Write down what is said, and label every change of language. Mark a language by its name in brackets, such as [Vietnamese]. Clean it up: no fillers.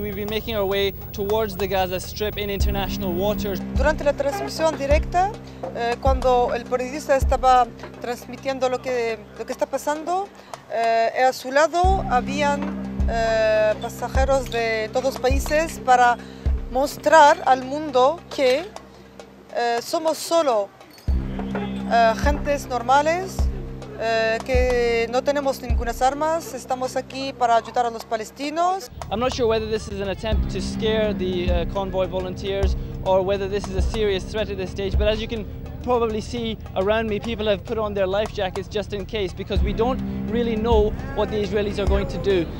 [English] We've been making our way towards the Gaza Strip in international waters. [Spanish] Durante la transmisión directa, cuando el periodista estaba transmitiendo lo que está pasando, a su lado habían pasajeros de todos los países para mostrar al mundo que somos solo gentes normales. Que no tenemos ninguna armas, estamos aquí para ayudar a los palestinos. [English] I'm not sure whether this is an attempt to scare the convoy volunteers or whether this is a serious threat at this stage, but as you can probably see around me, people have put on their life jackets just in case, because we don't really know what the Israelis are going to do.